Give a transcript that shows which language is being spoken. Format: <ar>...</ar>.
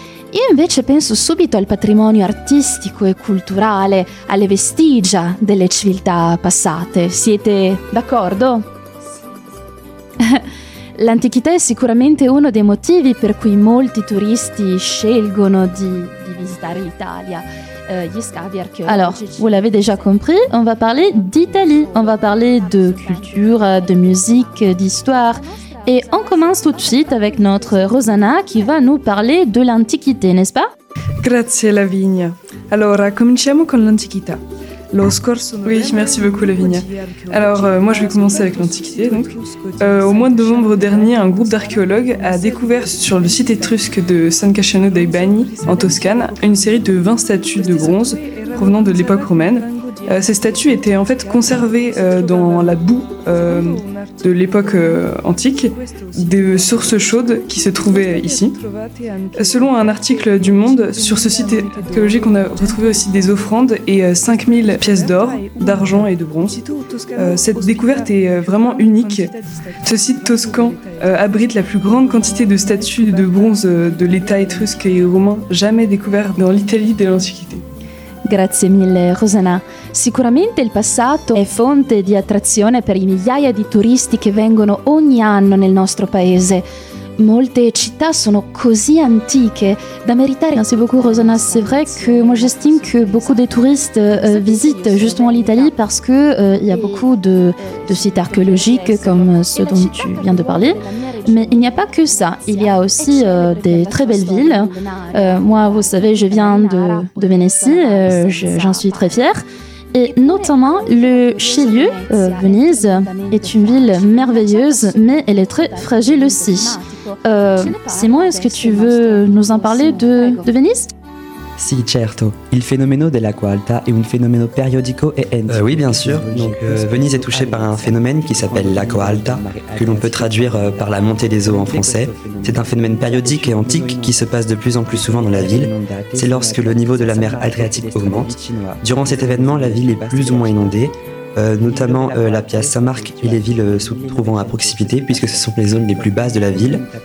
<it>Io invece penso subito al patrimonio artistico e culturale, alle vestigia delle civiltà passate. Siete d'accordo? L'antichità è sicuramente uno dei motivi per cui molti turisti scelgono di visitare l'Italia. Gli scavi archeologici.</it> <fr>Alors, vous l'avez déjà compris, on va parler d'Italie. On va parler de culture, de musique, d'histoire. Et on commence tout de suite avec notre Rosanna qui va nous parler de l'Antichité, n'est-ce pas?</fr> <it>Grazie Lavinia. Allora, cominciamo con l'Antichità.</it> <fr>Oui, merci beaucoup Lavinia. Alors, moi je vais commencer avec l'Antiquité. Donc. Au mois de novembre dernier, un groupe d'archéologues a découvert sur le site étrusque de San Casciano dei Bagni, en Toscane, une série de 20 statues de bronze provenant de l'époque romaine. Ces statues étaient en fait conservées dans la boue de l'époque antique, des sources chaudes qui se trouvaient ici. Selon un article du Monde, sur ce site archéologique, on a retrouvé aussi des offrandes et 5000 pièces d'or, d'argent et de bronze. Cette découverte est vraiment unique. Ce site toscan abrite la plus grande quantité de statues de bronze de l'État étrusque et romain jamais découvertes dans l'Italie de l'Antiquité.</fr> <it>Grazie mille, Rosanna. Sicuramente il passato è fonte di attrazione per i migliaia di turisti che vengono ogni anno nel nostro paese. Molte città sono così antiche da meritare.</it> <fr>Merci beaucoup, Rosanna. C'est vrai que moi j'estime que beaucoup de touristes visitent justement l'Italie parce que il y a beaucoup de sites archéologiques comme ceux dont tu viens de parler. Mais il n'y a pas que ça, il y a aussi des très belles villes. Moi, vous savez, je viens de Vénétie, j'en suis très fière. Et notamment, le Chélieu, Venise, est une ville merveilleuse, mais elle est très fragile aussi. Simon, est-ce que tu veux nous en parler de Venise?</fr> <it>Sì, certo. Il fenomeno dell'acqua alta è un fenomeno periodico e endemico.</it> <fr>Oui, bien sûr. Donc, Venise est touchée par un phénomène qui s'appelle l'acqua alta, que l'on peut traduire par la montée des eaux en français. C'est un phénomène périodique et antique qui se passe de plus en plus souvent dans la ville. C'est lorsque le niveau de la mer Adriatique augmente. Durant cet événement, la ville est plus ou moins inondée, notamment la Piazza Saint-Marc et les villes se trouvant à proximité, puisque ce sont les zones les plus basses de la ville.</fr>